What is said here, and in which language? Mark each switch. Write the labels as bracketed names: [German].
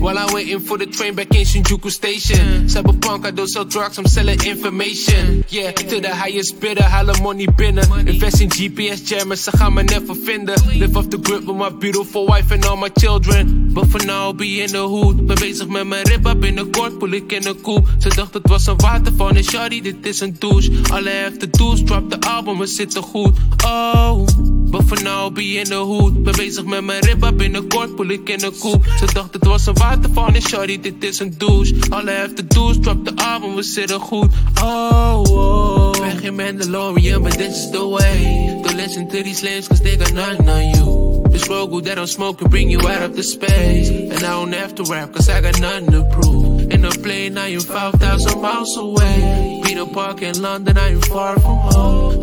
[English] While I'm waiting for the train back in Shinjuku Station. Cyberpunk, I don't sell drugs, I'm selling information. Yeah, to the highest bidder, [Dutch] holla money binnen. [English] Invest in GPS jammers, [Dutch] ze gaan me [English] never [Dutch] vinden. [English] Live off the grip with my beautiful wife and all my children. But for now, I'll be in the hood. [Dutch] Ben bezig met mijn ribba, binnenkort pull ik in een coupe. Ze dacht het was een waterval, en shawty, dit is een douche. Alle [English] after tools, drop the album, [Dutch] we zitten goed. [English] Oh. But for now I'll be in the hood. [Dutch] Ben bezig met mijn ribba, binnenkort pull ik in een coupe. Ze dacht het was een waterval, en shawty, dit is een douche. Alle [English] after tools, drop the album, [Dutch] we zitten goed. [English] Oh, oh. [Dutch] Ben geen [English] Mandalorian, but this is the way. Don't listen to these lames, cause they got nothing on you. The struggle that I'm smoking bring you out of the space. And I don't have to rap, cause I got nothing to prove. In a plane, I am 5,000 miles away. Peter Park in London, I am far from home.